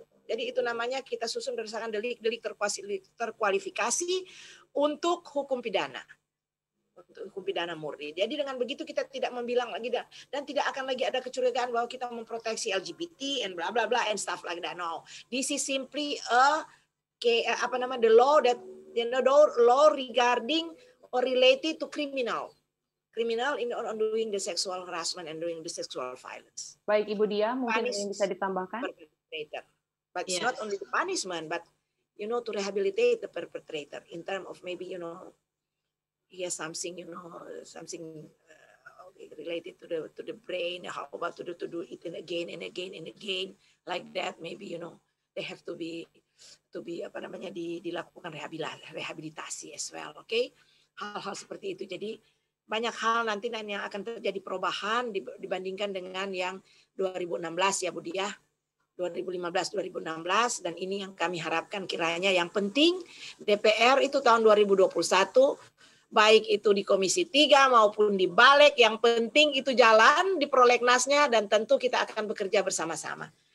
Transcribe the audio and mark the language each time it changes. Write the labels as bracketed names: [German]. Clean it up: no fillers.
[Indonesian] Jadi itu namanya kita susun berdasarkan delik-delik terkualifikasi untuk hukum pidana. Untuk hukum pidana murni. Jadi dengan begitu kita tidak membilang lagi dan tidak akan lagi ada kecurigaan bahwa kita memproteksi LGBT [English] and blah blah blah and stuff like that. No. This is simply the law that law regarding or related to criminal. Criminal in on doing the sexual harassment and doing the sexual violence. [Indonesian] Baik, Ibu Dia, mungkin ini bisa ditambahkan? [English] Perpetrator. But it's not only the punishment, but you know, to rehabilitate the perpetrator in terms of maybe, you know, he has something, you know, something related to the brain. How about to do it again and again and again like that? Maybe, you know, they have dilakukan rehabilitasi as well. [Indonesian] Okay, hal-hal seperti itu. Jadi banyak hal nanti yang akan terjadi perubahan dibandingkan dengan yang 2016, ya Budi, ya. 2015-2016, dan ini yang kami harapkan kiranya yang penting DPR itu tahun 2021 baik itu di Komisi 3 maupun di Balek, yang penting itu jalan di prolegnasnya dan tentu kita akan bekerja bersama-sama.